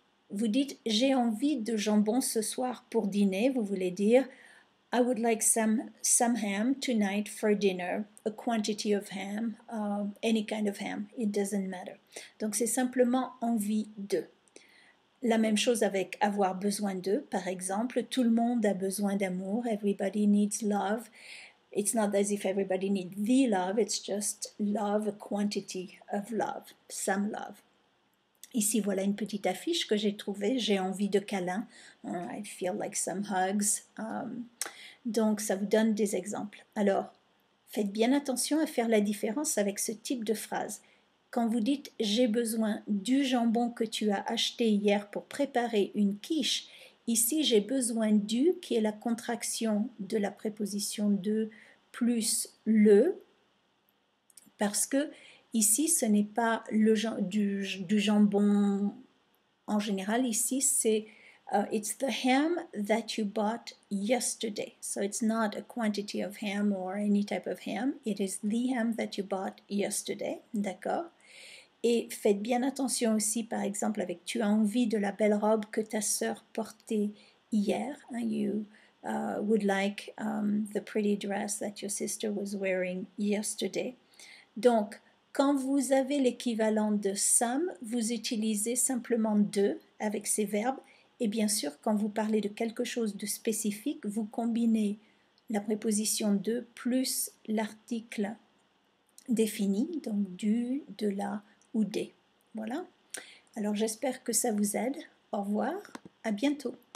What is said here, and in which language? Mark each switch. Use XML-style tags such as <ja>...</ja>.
<fr>Vous dites, j'ai envie de jambon ce soir pour dîner, vous voulez dire,</fr> <en>I would like some ham tonight for dinner, a quantity of ham, any kind of ham, it doesn't matter.</en> <fr>Donc c'est simplement envie de. La même chose avec avoir besoin de, par exemple, tout le monde a besoin d'amour,</fr> <en>everybody needs love. It's not as if everybody needs the love, it's just love, a quantity of love, some love.</en> <fr>Ici, voilà une petite affiche que j'ai trouvée. J'ai envie de câlins.</fr> <en>I feel like some hugs.</en> <fr>Donc, ça vous donne des exemples. Alors, faites bien attention à faire la différence avec ce type de phrase. Quand vous dites « j'ai besoin du jambon que tu as acheté hier pour préparer une quiche », ici, « j'ai besoin du » qui est la contraction de la préposition « de » plus « le » parce que ici, ce n'est pas le du jambon en général. Ici, c'est</fr> <en>it's the ham that you bought yesterday. So it's not a quantity of ham or any type of ham. It is the ham that you bought yesterday.</en> <fr>D'accord? Et faites bien attention aussi, par exemple, avec tu as envie de la belle robe que ta sœur portait hier.</fr> <en>Hein, you would like the pretty dress that your sister was wearing yesterday. Donc,</en> <fr>Quand vous avez l'équivalent de sam, vous utilisez simplement de avec ces verbes. Et bien sûr, quand vous parlez de quelque chose de spécifique, vous combinez la préposition de plus l'article défini, donc du, de la ou des. Voilà. Alors j'espère que ça vous aide. Au revoir. À bientôt.</fr>